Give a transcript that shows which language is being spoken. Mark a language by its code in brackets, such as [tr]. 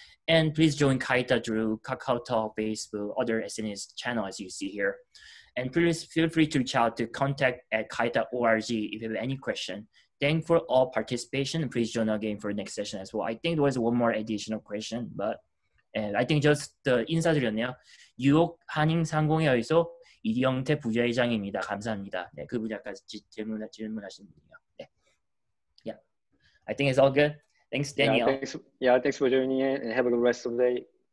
[en] And please join Kaita through KakaoTalk, Facebook, other SNS channels as you see here. And please feel free to reach out to contact@kaita.org if you have any question. Thank for all participation. Please join again for the next session as well. I think there was one more additional question, but I think just the [ko] 인사드렸네요. 뉴욕 한인 상공회 의소 이영태 부회장입니다. 감사합니다. 네, 그 부장까지 질문하신 분이요. [en] 네. Yeah, I think it's all good. Thanks, Daniel. Thanks for joining in and have a good rest of the day.